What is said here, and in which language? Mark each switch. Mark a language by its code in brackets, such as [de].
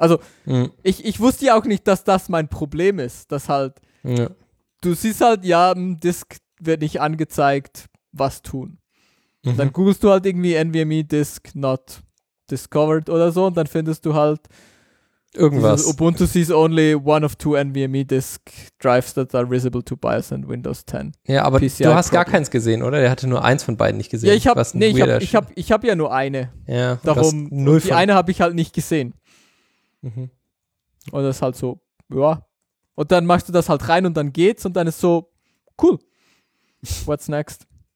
[de] Also, ich wusste ja auch nicht, dass das mein Problem ist, dass halt, du siehst halt, ja, im Disk wird nicht angezeigt, was tun. Dann googelst du halt irgendwie [en] NVMe Disk not discovered [de] oder so und dann findest du halt irgendwas. [en] Ubuntu sees only one of two NVMe disk drives that are visible to BIOS and Windows 10. [de] Ja, aber PCI du hast Problem. Gar keins gesehen, oder? Der hatte nur eins von beiden nicht gesehen. Ja, ich hab ja nur eine. Ja, darum, null die eine habe ich halt nicht gesehen. Und das ist halt so, ja. Und dann machst du das halt rein und dann geht's und dann ist so, cool. [en] What's next?